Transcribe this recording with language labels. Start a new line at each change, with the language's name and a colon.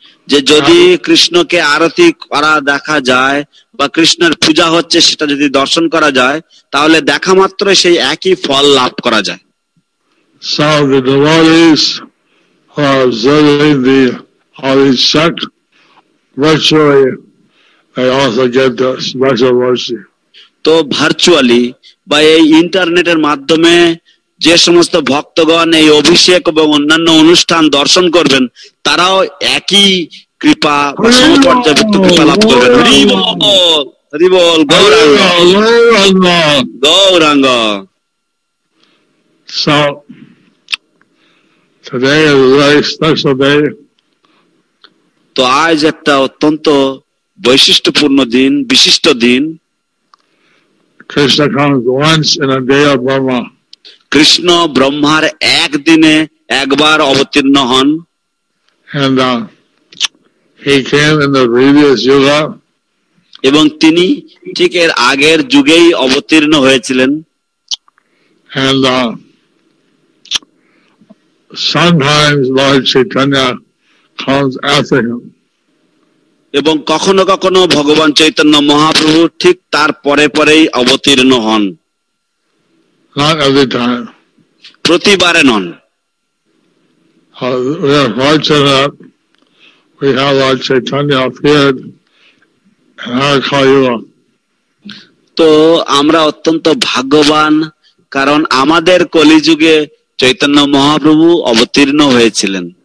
Bangla: যে যদি কৃষ্ণকে আরতি করা দেখা যায় বা কৃষ্ণের পূজা হচ্ছে সেটা যদি দর্শন করা যায় তাহলে দেখা মাত্র সেই একই ফল লাভ করা যায়।
English: So the devotees who are observing the holy sect virtually, they also get the special mercy.
Bangla: তো ভার্চুয়ালি বা এই ইন্টারনেটের মাধ্যমে যে সমস্ত ভক্তগণ এই অভিষেক এবং অন্যান্য অনুষ্ঠান দর্শন করবেন তারাও একই কৃপা বা সমপর্যায়ভুক্ত কৃপা লাভ করবেন। হরি বল, হরি বল, Gauranga, Gauranga.
English: Today is a very special day.
Bangla: তো আজ একটা অত্যন্ত বৈশিষ্ট্যপূর্ণ দিন, বিশিষ্ট দিন।
English: Krishna comes once in a day of Brahma.
Bangla: Krishna ব্রহ্মার একদিনে একবার অবতীর্ণ হন।
English: And he came in the previous yuga.
Bangla: এবং তিনি ঠিক এর আগের যুগেই অবতীর্ণ হয়েছিলেন।
English: And sometimes Lord Chaitanya comes after him.
Bangla: এবং কখনো কখনো ভগবান চৈতন্য মহাপ্রভু ঠিক তার পরে পরেই অবতীর্ণ হন।
English: Not every time.
Bangla: প্রতিবারে non.
English: We are fortunate we have Lord Chaitanya appeared in our Kali Yuga.
Bangla: তো আমরা অত্যন্ত ভাগ্যবান কারণ আমাদের কলিযুগে চৈতন্য মহাপ্রভু অবতীর্ণ হয়েছিলেন।